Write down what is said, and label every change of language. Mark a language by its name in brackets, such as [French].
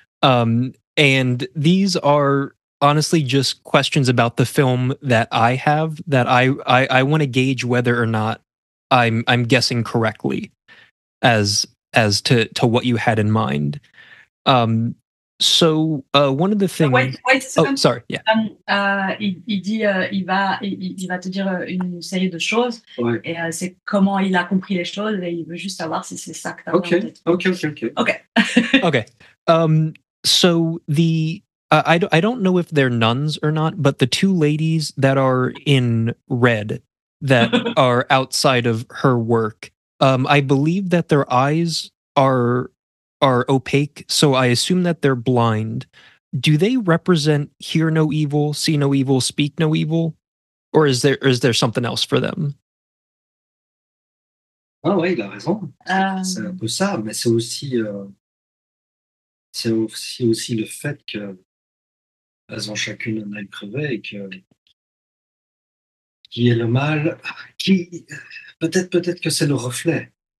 [English] And these are honestly just questions about the film that I have, that I want to gauge whether or not I'm guessing correctly as to what you had in mind. So one of the things. Wait a second. Oh, sorry. Yeah. [French] Il va te dire une série de choses. Ouais. Et c'est comment il a compris les choses et il veut juste savoir si c'est ça que t'as. [English] Okay. Okay. Okay. So the I don't know if they're nuns or not, but the two ladies that are in red that are outside of her work, I believe that their eyes are opaque, so I assume that they're blind. Do they represent hear no evil, see no evil, speak no evil, or is there something else for them? [French] Ah oui, il a raison. C'est un peu ça, mais c'est aussi le fait que elles ont chacune un œil crevé et que qui est le mal, qui peut-être que c'est le reflet.